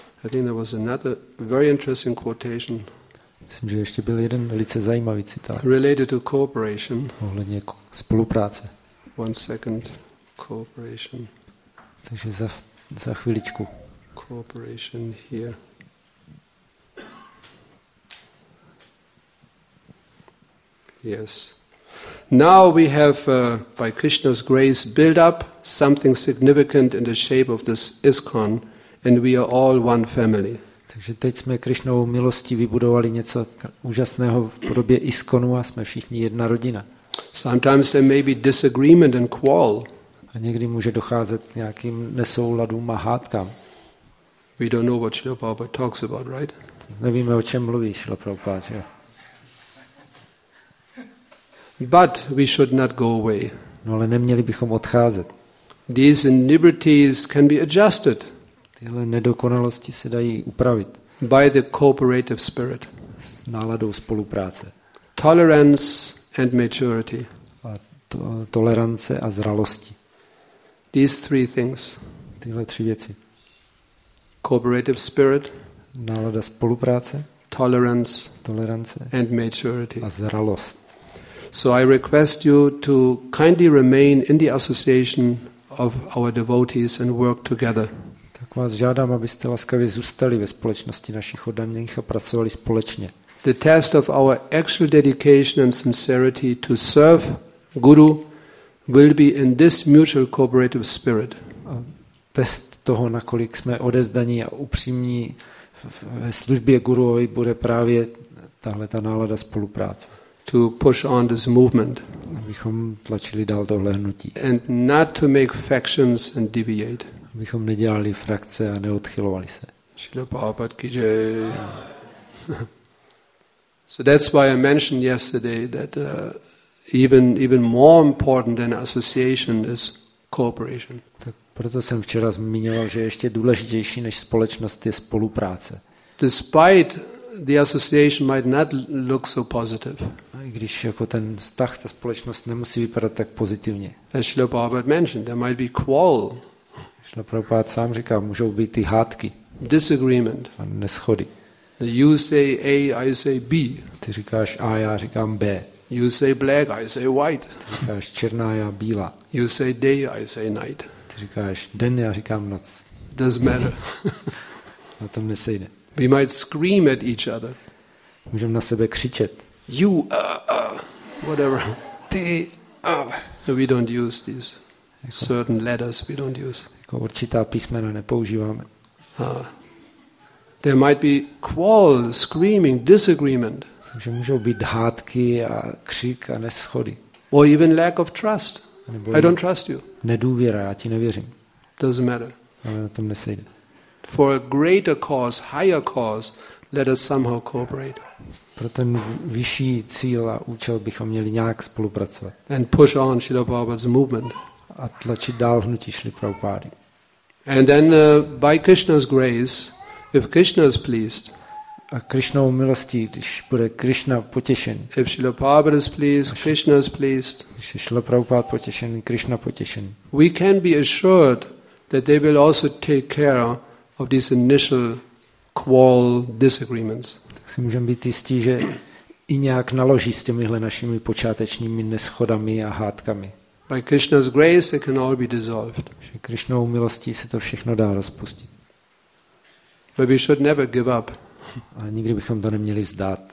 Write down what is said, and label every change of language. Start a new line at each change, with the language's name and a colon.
English: I think there was another very interesting quotation.
Czech: Myslím, že ještě byl jeden velice zajímavý citát.
English: Related to cooperation.
Czech: Ohledně spolupráce.
English: One second cooperation.
Czech: Takže za chviličku.
English: Cooperation here. Yes. Now we have, by Krishna's grace, built up something significant in the shape of this ISKCON, and we are all one family.
Czech: Takže teď jsme Krishnovou milostí vybudovali něco úžasného v podobě ISKCONu a jsme všichni jedna rodina.
English: Sometimes there may be disagreement and quarrel.
Czech: A někdy může docházet k nějakým nesouladům a hádkám.
English: We don't know what Srila Prabhupada talks about, right?
Czech: Nevíme, o čem mluví Srila Prabhupada.
English: But we should not go away.
Czech: No, ale neměli bychom odcházet.
English: These liberties can be adjusted.
Czech: Tyhle nedokonalosti se dají upravit.
English: By the cooperative spirit.
Czech: S náladou spolupráce.
English: Tolerance and maturity.
Czech: A tolerance a zralosti.
English: These three things.
Czech: Tyhle tři věci.
English: Cooperative spirit.
Czech: Nálada spolupráce.
English: Tolerance. And maturity.
Czech: A zralost.
English: So I request you to kindly remain in the association of our devotees and work together.
Czech: Tak vás žádám, abyste laskavě zůstali ve společnosti našich oddaných a pracovali společně.
English: The test of our actual dedication and sincerity to serve Guru will be in this mutual cooperative spirit.
Czech: Test toho, nakolik jsme odezdaní a upřímní ve službě guruovi bude právě tahle ta nálada spolupráce.
English: To push on this movement.
Czech: Abychom tlačili dál tohle hnutí.
English: And not to make factions and deviate.
Czech: Abychom nedělali frakce a neodchylovali se.
Hindi: Shrila Prabhupada ki jai.
English: So that's why I mentioned yesterday that even more important than association is cooperation.
Czech: Tak proto jsem včera zmiňoval, že ještě důležitější než společnost je spolupráce.
English: Despite the association might not look so positive.
Czech: I když jako ten vztah, ta společnost nemusí vypadat tak pozitivně.
English: As Shrila Prabhupada mentioned, there might be quarrel.
Czech: Shrila Prabhupada sám říká, můžou být ty hádky.
English: Disagreement.
Czech: A neschody.
English: You say A, I say B.
Czech: Ty říkáš A, já říkám B.
English: You say black, I say white.
Czech: Ty říkáš černá, já bílá.
English: You say day, I say night.
Czech: Ty říkáš den, já říkám noc.
English: Doesn't matter.
Czech: Na tom nesejde.
English: We might scream at each other.
Czech: Můžeme na sebe křičet.
English: You, whatever.
Czech: Ty,
English: No, we don't use these
Czech: jako,
English: certain letters, we don't use.
Czech: Jako určitá písmena nepoužíváme.
English: There might be quarrel, screaming, disagreement.
Czech: Takže můžou být hádky a křik a neschody.
English: Or even lack of trust. I don't trust you.
Czech: Nedůvěra, já ti nevěřím.
English: Doesn't matter.
Czech: Ale na tom nesejde.
English: For a greater cause, higher cause, let us somehow cooperate.
Czech: Pro ten vyšší cíl a účel bychom měli nějak spolupracovat.
English: And push on Srila Prabhupada's movement.
Czech: A tlačit dál hnutí Srila Prabhupády.
English: And then by Krishna's grace, if Krishna is pleased,
Czech: a Krishnou milostí, když bude Krishna potěšen.
English: If Srila Prabhupada is pleased, Krishna is pleased.
Czech: Když je Srila Prabhupada potěšen, Krishna potěšen.
English: We can be assured that they will also take care of these initial quarrel disagreements.
Czech: Tak si můžeme být jistí, že i nějak naloží s těmihle našimi počátečními neschodami a hádkami.
English: By Krishna's grace, it can all be dissolved.
Czech: Že Krishnou milostí se to všechno dá rozpustit.
English: But we should never give up.
Czech: A nikdy bychom to neměli vzdát.